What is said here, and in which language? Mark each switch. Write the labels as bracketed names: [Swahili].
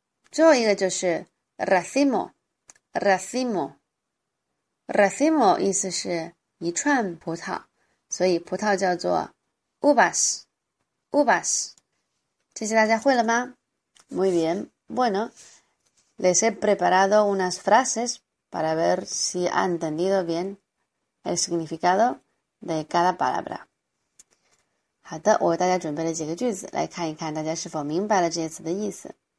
[Chinese] 最后一个就是 racimo 意思是一串葡萄，所以葡萄叫做 uvas。这些大家会了吗？ [Spanish] Muy bien。 Bueno, les he preparado unas frases para ver si han entendido bien el significado de cada palabra. [Chinese] 好的，我为大家准备了几个句子，来看一看大家是否明白了这些词的意思。